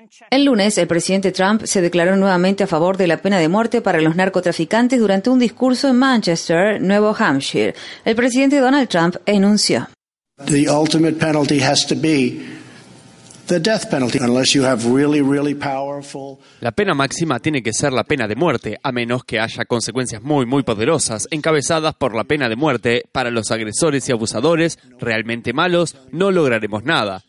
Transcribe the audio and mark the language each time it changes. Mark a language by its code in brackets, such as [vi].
[es] El lunes, el presidente Trump se declaró nuevamente a favor de la pena de muerte para los narcotraficantes durante un discurso en Manchester, Nuevo Hampshire. El presidente Donald Trump enunció: [en] "The ultimate penalty has to be the death penalty, unless you have really, really powerful." [es] La pena máxima tiene que ser la pena de muerte, a menos que haya consecuencias muy, muy poderosas, encabezadas por la pena de muerte. Para los agresores y abusadores realmente malos, no lograremos nada.